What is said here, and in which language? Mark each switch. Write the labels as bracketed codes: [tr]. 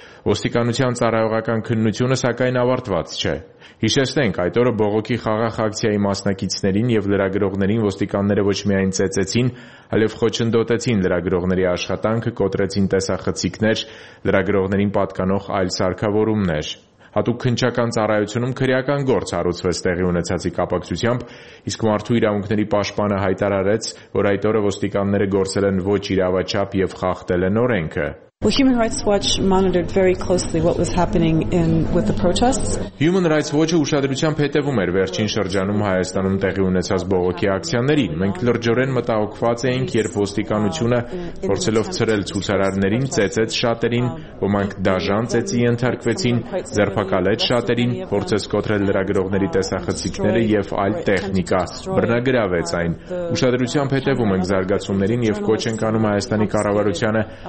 [hy] Ոստիկանության ծառայողական քննությունը սակայն ավարտված չէ։ Հիշեցնենք, այդ օրը բողոքի խաղաղ ակցիայի մասնակիցներին եւ լրագրողներին ոստիկանները ոչ միայն ծեծեցին, այլև խոչընդոտեցին լրագրողների աշխատանքը, կոտրեցին տեսախցիկներ, լրագրողներին պատկանող այլ սարքավորումներ։ Հատուկ քնչական ծառայությունում քրեական գործ արուցվեց տեղի ունեցածի կապակցությամբ, իսկ մարդու իրավունքների պաշտպանը հայտարարեց, որ այդ օրը ոստիկանները գործել են ոչ իրավաչափ եւ խախտել են օրենքը։ [en] Well, Human Rights Watch monitored very closely what was happening with the protests. [hy] Human Rights Watch-ը ուշադրությամբ հետևում էր վերջին շրջանում Հայաստանում տեղի ունեցած բողոքի ակցիաներին։ Մենք լրջորեն մտահոգված էինք, երբ ոստիկանությունը, փորձելով ցրել ցուցարարներին, ծեծեց շատերին, ոմանք դաժան ծեցի ենթարկվեցին, ձերբակալեց շատերին, փորձեց կոտրել լրագրողների տեսախցիկները եւ այլ տեխնիկա, բռնագրավեց այն։ Ուշադրությամբ հետևում ենք զարգացումներին եւ կոչ ենք անում Հայաստանի կառավարությանը